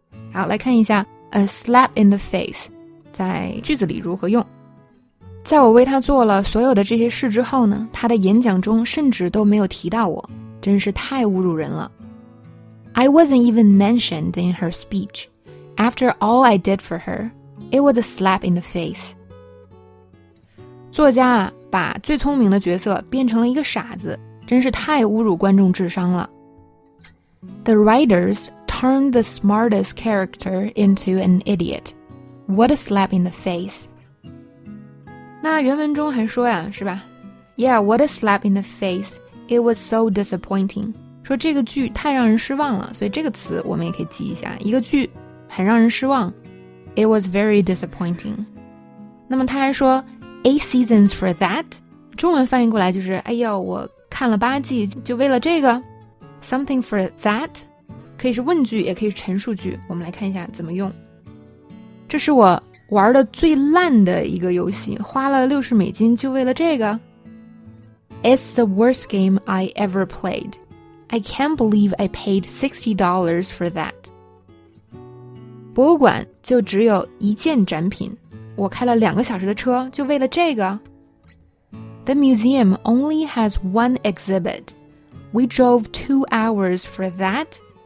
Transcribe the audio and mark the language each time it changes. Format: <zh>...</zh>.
<zh>好，来看一下</zh> <en>a slap in the face</en> <zh>在句子里如何用。在我为他做了所有的这些事之后呢，他的演讲中甚至都没有提到我，真是太侮辱人了。</zh> <en>I wasn't even mentioned in her speech. After all I did for herIt was a slap in the face.</en> <zh>作家啊，把最聪明的角色变成了一个傻子，真是太侮辱观众智商了。</zh> <en>The writers turned the smartest character into an idiot. What a slap in the face.</en> <zh>那原文中还说呀，是吧？</zh> <en>Yeah, what a slap in the face. It was so disappointing.</en> <zh>说这个剧太让人失望了，所以这个词我们也可以记一下，一个剧很让人失望。</zh> <en>It was very disappointing.</en> <zh>那么他还说</zh> <en>8 seasons for that.</en> <zh>中文翻译过来就是哎呦我看了八季就为了这个</zh> <en>something for that.</en> <zh>可以是问句也可以是陈述句，我们来看一下怎么用。这是我玩的最烂的一个游戏，花了$60就为了这个。</zh> <en>It's the worst game I ever played. I can't believe I paid $60 for that.</en> <zh>博物馆就只有一件展品，我开了2个小时的车就为了这个。</zh> <en>The museum only has one exhibit. We drove 2 hours for that.</en>